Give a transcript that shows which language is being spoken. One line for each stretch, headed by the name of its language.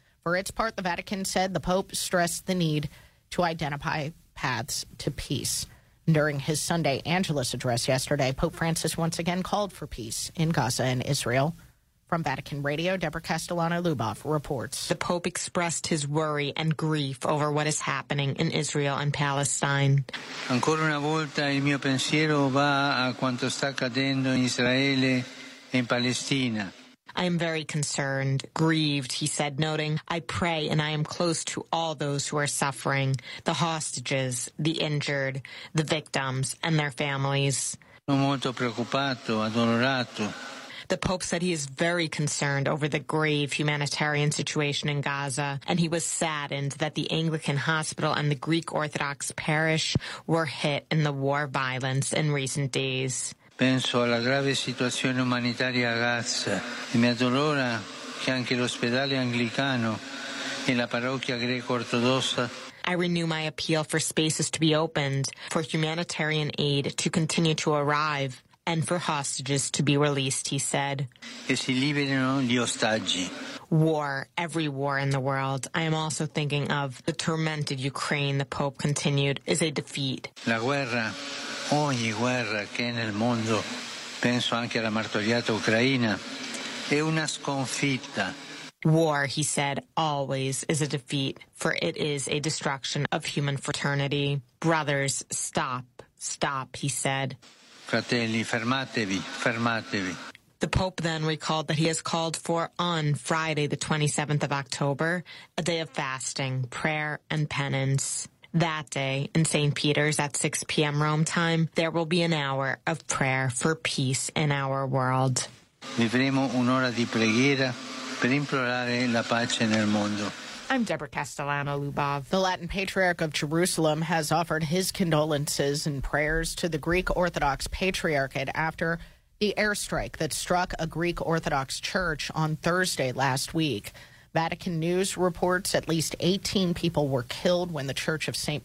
English: For its part, the Vatican said the Pope stressed the need to identify paths to peace. During his Sunday Angelus address yesterday, Pope Francis once again called for peace in Gaza and Israel. From Vatican Radio, Deborah Castellano-Luboff reports. The Pope expressed his worry and grief over what is happening in Israel and Palestine.
Italian: Ancora una volta il mio pensiero va a quanto sta accadendo in Israele e in Palestina.
English: I am very concerned, grieved, he said, noting, I pray and I am close to all those who are suffering, the hostages, the injured, the victims, and their families.
Italian: Sono molto preoccupato, addolorato.
English: The Pope said he is very concerned over the grave humanitarian situation in Gaza, and he was saddened that the Anglican hospital and the Greek Orthodox parish were hit in the war violence in recent days.
Italian: Penso alla grave situazione umanitaria a Gaza e mi addolora che anche l'ospedale anglicano e la parrocchia greco-ortodossa.
English: I renew my appeal for spaces to be opened, for humanitarian aid to continue to arrive, and for hostages to be released, he said.
Italian: E si liberino gli ostaggi.
English: War, every war in the world. I am also thinking of the tormented Ukraine, the Pope continued, is a defeat.
Italian: La guerra, ogni guerra che è nel mondo, penso anche alla martoriata Ucraina, è una sconfitta.
English: War, he said, always is a defeat, for it is a destruction of human fraternity. Brothers, stop, stop, he said.
Italian: Fratelli, fermatevi, fermatevi.
English: The Pope then recalled that he has called for, on Friday, the 27th of October, a day of fasting, prayer, and penance. That day, in St. Peter's at 6 p.m. Rome time, there will be an hour of prayer for peace in our world.
Italian: Vivremo un'ora di preghiera per implorare la pace nel mondo.
English: I'm Deborah Castellano-Luboff. The Latin Patriarch of Jerusalem has offered his condolences and prayers to the Greek Orthodox Patriarchate after the airstrike that struck a Greek Orthodox church on Thursday last week. Vatican News reports at least 18 people were killed when the Church of St.